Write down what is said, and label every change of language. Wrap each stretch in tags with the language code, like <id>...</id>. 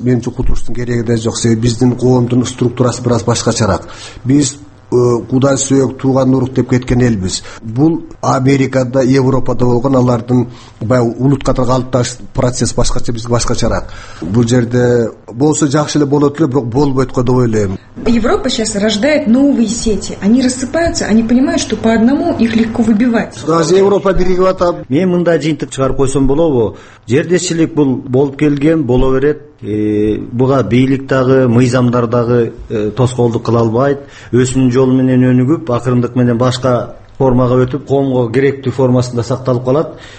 <ky>Менимче кутулуштун кереги да жок. Себеби биздин коомдун структурасы бир аз башкачарак. Биз кудай сөөк тууган урук деп кеткен элбиз. Бул Америкада, Европада болгон алардын баягы улут катары калыпташ процесс башкача, биз башкачарак. Бул жерде болсо жакшы эле болот эле, бирок болбойт го деп ойлойм.</ky> <ru>Европа сейчас рождает новые сети. Они рассыпаются, они понимают, что по одному их легко выбивать.</ru> <ky>Даже Европа биригип атат. Мен мындай жыйынтык чыгарып койсом болобу? Жердечилик бул болуп келген, боло берет. Буга бийлик дагы, мыйзамдар дагы тоскоолдук кыла албайт. Өсүүнүн жолу менен өнүгүп, акырындык менен башка формага өтүп, коомго керектүү формасында сакталып калат.</ky>